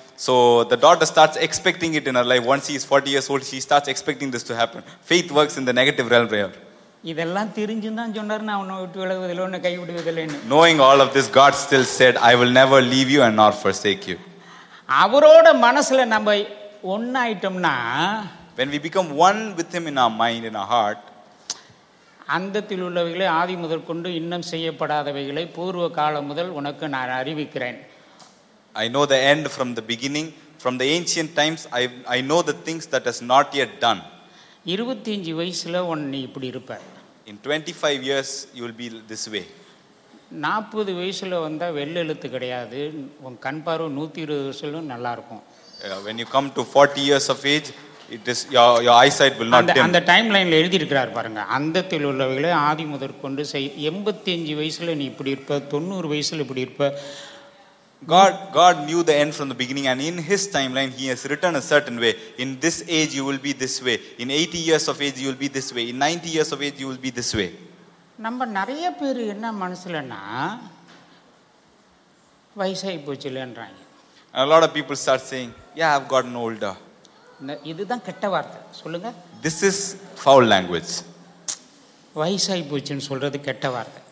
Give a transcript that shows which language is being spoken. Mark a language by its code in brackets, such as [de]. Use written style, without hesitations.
[en] So the daughter starts expecting it in her life. Once he is 40 years old, she starts expecting this to happen. Faith works in the negative real prayer. [ta] இதெல்லாம் தெரிஞ்சுதான் சொன்னார், அவனை விட்டு விலகுவதில்லை, உன்னை கைவிடுவதில்லைன்னு. [en] Knowing all of this God still said I will never leave you and not forsake you. [ta] அவரோட மனசுல நம்ம ஒன்னாயிட்டோம்னா, [en] when we become one with him in our mind, in our heart, [ta] அந்தத்தில் உள்ளவைகளை ஆதி முதல் கொண்டு இன்னும் செய்யப்படாதவைகளை பூர்வ காலம் முதல் உனக்கு நான் அறிவிக்கிறேன். [en] I know the end from the beginning, from the ancient times I know the things that has not yet done. [ta] 25 வயசுல உன்னை இப்படி இருப்ப. [en] In 25 years you will be this way. [ta] 40 வயசுல வந்தா வெள்ளெழுத்து கிடையாது, உன் கண் பார்வை 120 வயசுலும் நல்லா இருக்கும். [en] When you come to 40 years of age, it is your eyesight will not dim. [ta] அந்த டைம்லைன்ல எழுதி இருக்கார் பாருங்க, அந்தத்தில் உள்ளவங்களே ஆதி முதற் கொண்டு 85 வயசுல நீ இப்படி இருப்ப, 90 வயசுல இப்படி இருப்ப. [en] God knew the end from the beginning, and in his timeline he has written a certain way. In this age you will be this way, in 80 years of age you will be this way, in 90 years of age you will be this way. [ta] நம்ம நிறைய பேர் என்ன மனசுலன்னா, வயசாகி போச்சு இல்லைன்றாங்க. [en] A lot of people start saying, yeah, I've gotten older. [ta] இதுதான் கெட்ட வார்த்தை சொல்லுங்க. [en] This is foul language. [ta] வயசாய் போச்சுன்னு சொல்றது கெட்ட வார்த்தை.